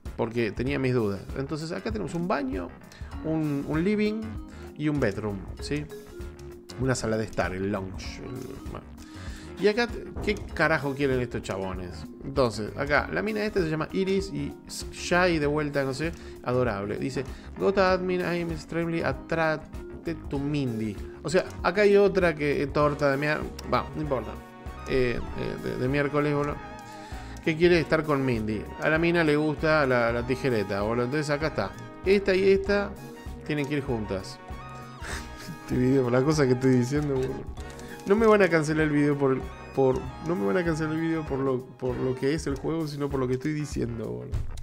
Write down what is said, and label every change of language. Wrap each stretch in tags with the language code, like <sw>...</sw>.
<es>Porque tenía mis dudas. Entonces acá tenemos un baño, un living y un bedroom, ¿sí? Una sala de estar, el lounge. Y acá, ¿qué carajo quieren estos chabones? Entonces, acá, la mina esta se llama Iris y Shy de vuelta, no sé, adorable. Dice,</es> <en>go to admin, I'm extremely attracted to Mindy.</en> <es>O sea, acá hay otra que torta de miércoles, va, no importa, de miércoles, boludo, que quiere estar con Mindy. A la mina le gusta la tijereta, boludo. Entonces acá está, esta y esta tienen que ir juntas. Este video, la cosa que estoy diciendo, boludo. No me van a cancelar el video no me van a cancelar el video por lo que es el juego, sino por lo que estoy diciendo, boludo.</es>